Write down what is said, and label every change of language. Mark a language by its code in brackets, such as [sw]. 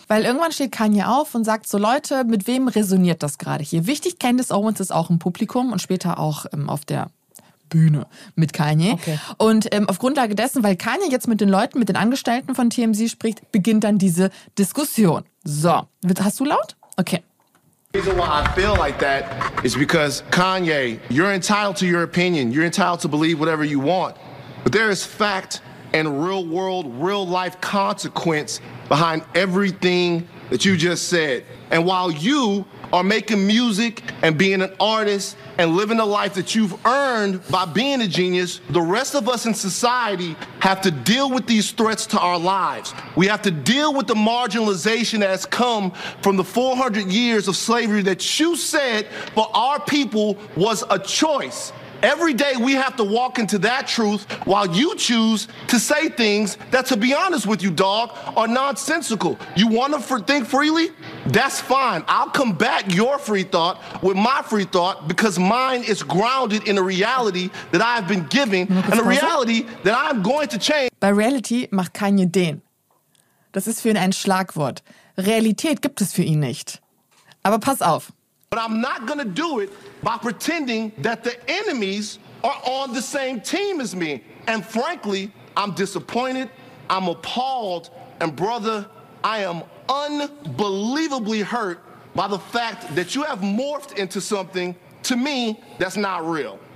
[de] Weil irgendwann steht Kanye auf und sagt so, Leute, mit wem resoniert das gerade hier? Wichtig, Candace Owens ist auch im Publikum und später auch auf der Bühne mit Kanye. Okay. Und auf Grundlage dessen, weil Kanye jetzt mit den Leuten, mit den Angestellten von TMZ spricht, beginnt dann diese Diskussion. So, hast du laut? Okay. [en] The reason why I feel like that is because Kanye, you're entitled to your opinion. You're entitled to believe whatever you want. But there is fact and real world, real life consequence behind everything that you just said. And while you are making music and being an artist and living a life that you've earned by being a genius, the rest of us in society have to deal with these threats to our lives. We have to deal with the marginalization that has come from the 400 years of slavery that you said for our people was a choice. Every day we have to walk into that truth while you choose to say things that, to be honest with you, dog, are nonsensical. You want to think freely? That's fine. I'll combat your free thought with my free thought because mine is grounded in a reality that I have been given and a reality that I'm going to change. [de] Bei Reality macht Kanye den. Das ist für ihn ein Schlagwort. Realität gibt es für ihn nicht. Aber pass auf. [en] But I'm not gonna do it by pretending that the enemies are on the same team as me. And frankly, I'm disappointed, I'm appalled, and brother, I am unbelievably hurt by the fact that you have morphed into something, to me, that's not real.